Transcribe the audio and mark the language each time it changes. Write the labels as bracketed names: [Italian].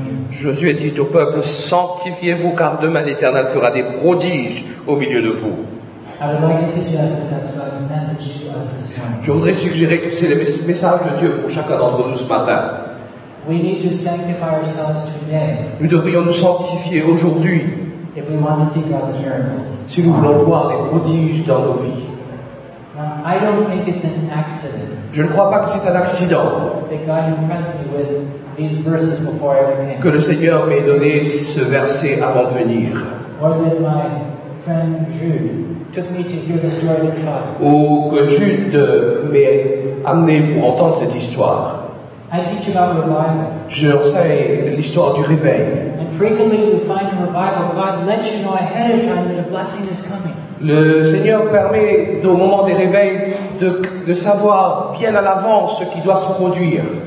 [French] Josué dit au peuple, sanctifiez-vous, car demain l'Éternel fera des prodiges au milieu de vous. [English] I would like to suggest that that's God's message to us this morning. [French] Je voudrais suggérer que c'est le message de Dieu pour chacun d'entre nous ce matin. [English] We need to sanctify ourselves today. [French] Nous devrions nous sanctifier aujourd'hui. [English] If we want to see God's miracles. [French] Si nous voulons voir les prodiges dans nos vies. [English] I don't think it's an accident. [French] Je ne crois pas que c'est un accident. [English] That God impressed me with these verses before I ever came. [French] Que le Seigneur m'ait donné ce verset avant de venir. [English] Or that my friend Jude took me to hear the story of his father. [French] Ou que Jude m'ait amené pour entendre cette histoire. [English] I teach about revival. [French] Je sais l'histoire du réveil. [English] And frequently we find in revival, God lets you know ahead of time that a blessing is coming. [French] Le Seigneur permet au moment des réveils de savoir bien à l'avance ce qui doit se produire.